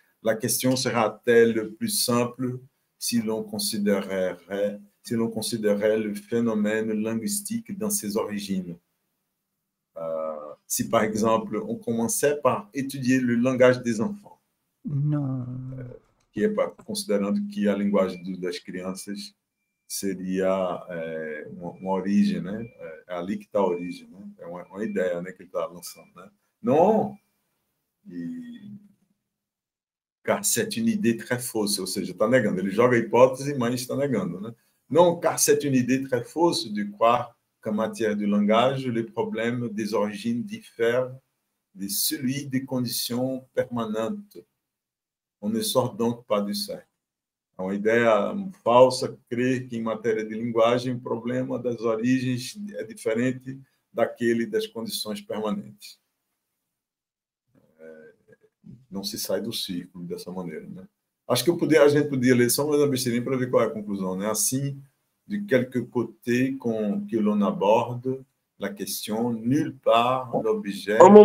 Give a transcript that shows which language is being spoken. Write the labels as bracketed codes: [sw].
[fr] La question sera-t-elle plus simple si l'on considérait le phénomène linguistique dans ses origines. Si, par exemple, on commençait par étudier le langage des enfants, qui est pas considérant que la langue des [pt] crianças seria uma origem, né? É ali que está a origem, né? É uma ideia, né, que ele está lançando, né? [fr] Non! Car c'est une idée très fausse, [pt] ou seja, está negando. Ele joga a hipótese, mas está negando, né? [fr] Non, car c'est une idée très fausse de croire qu'en matière de langage, les problèmes des origines diffèrent de celui des conditions permanentes. On ne sort donc pas du cercle. [pt] É uma ideia falsa crer que, em matéria de linguagem, o problema das origens é diferente daquele das condições permanentes. Não se sai do círculo dessa maneira, né? Acho que a gente podia ler só mais uma besteirinha para ver qual é a conclusão, né? [fr] Assim, de quelque côté com que l'on aborde la question, nulle part l'objet